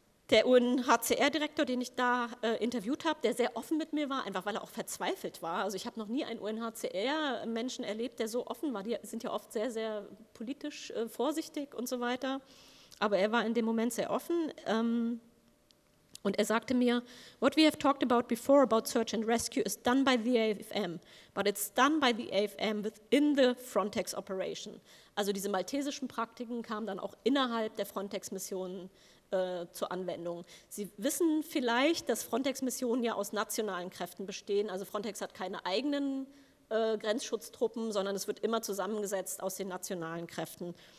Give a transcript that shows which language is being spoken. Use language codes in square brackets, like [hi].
[de] Der UNHCR-Direktor, den ich da interviewt habe, der sehr offen mit mir war, einfach weil er auch verzweifelt war. Also ich habe noch nie einen UNHCR-Menschen erlebt, der so offen war. Die sind ja oft sehr, sehr politisch vorsichtig und so weiter. Aber er war in dem Moment sehr offen. Und er sagte mir: [en] "What we have talked about before about search and rescue is done by the AFM, but it's done by the AFM within the Frontex operation." [de] Also diese maltesischen Praktiken kamen dann auch innerhalb der Frontex-Missionen zur Anwendung. Sie wissen vielleicht, dass Frontex-Missionen ja aus nationalen Kräften bestehen. Also Frontex hat keine eigenen Grenzschutztruppen, sondern es wird immer zusammengesetzt aus den nationalen Kräften.